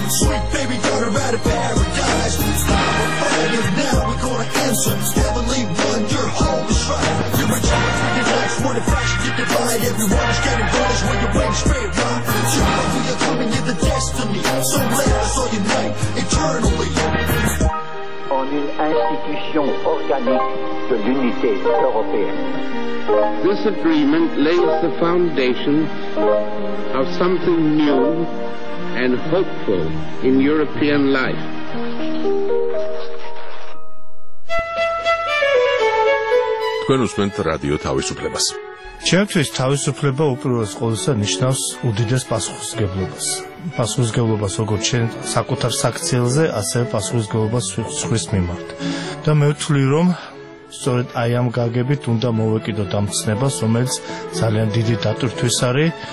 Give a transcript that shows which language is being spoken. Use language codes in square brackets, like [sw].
[en] Sweet baby daughter out of paradise. Start a fire now, we're gonna answer. Heavenly one, your whole shrine. You're a champion for your life. When the flash to divide, everyone's getting bullish when your wings spray rock. Jump up when you're coming in the destiny. So let us all unite eternally. [fr] en une institution organique de l'unité européenne. [en] This agreement lays the foundation of something new and hopeful in European life. [ka] თქვენ უსმენთ რადიო თავისუფლებას. ჩემთვის თავისუფლება უპირველეს ყოვლისა ნიშნავს უდიდეს პასუხისმგებლობას. პასუხისმგებლობას როგორც ჩვენ საკუთარ საქციელზე, ასევე პასუხისმგებლობას სხვის მიმართ. და მე ვთვლი, რომ სწორედ აი ამ გაგებით უნდა მოვეკიდოთ ამ ცნებას, რომელიც ძალიან დიდი დატვირთვის არის.